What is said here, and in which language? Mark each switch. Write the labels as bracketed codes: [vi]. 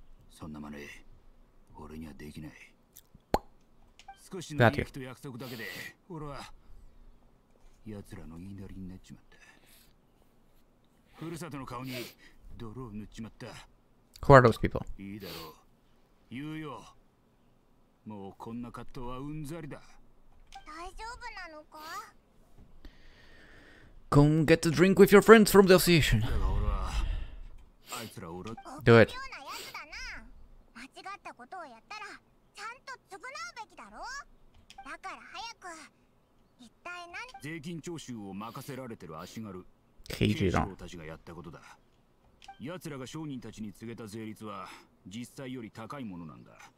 [ja] そんな真似俺にはできない。少しの勇気と約束だけで、俺は奴らの言いなりになっちまった。ふるさとの顔に泥を塗っちまった。 [en] Who are those people? [ja] いいだろう。言うよ。もうこんな葛藤はうんざりだ。大丈夫なのか？ [en] Come get a drink with your friends from the association. [ja] だが俺は、あいつら俺は… [en] Do it. [ja] 臆病な奴だな。間違ったことをやったら、ちゃんと償うべきだろ。だから早く税金徴収を任せられてる足軽刑事長たちがやったことだ。奴らが商人たちに告げた税率は実際より高いものなんだ。